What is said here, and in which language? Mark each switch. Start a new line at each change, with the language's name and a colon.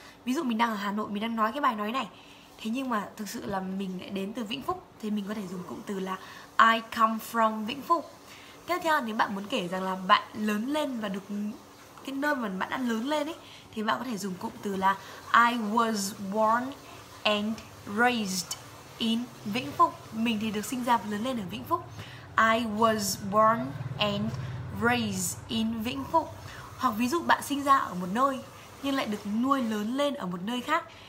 Vietnamese: Ví dụ mình đang ở Hà Nội, mình đang nói cái bài nói này, thế nhưng mà thực sự là mình lại đến từ Vĩnh Phúc, thì mình có thể dùng cụm từ là I come from Vĩnh Phúc. Tiếp theo, nếu bạn muốn kể rằng là bạn lớn lên và được cái nơi mà bạn đã lớn lên ấy, thì bạn có thể dùng cụm từ là I was born and raised in Vĩnh Phúc. Mình thì được sinh ra và lớn lên ở Vĩnh Phúc.
English: I was born and raised in Vĩnh Phúc.
Vietnamese: Hoặc ví dụ bạn sinh ra ở một nơi nhưng lại được nuôi lớn lên ở một nơi khác.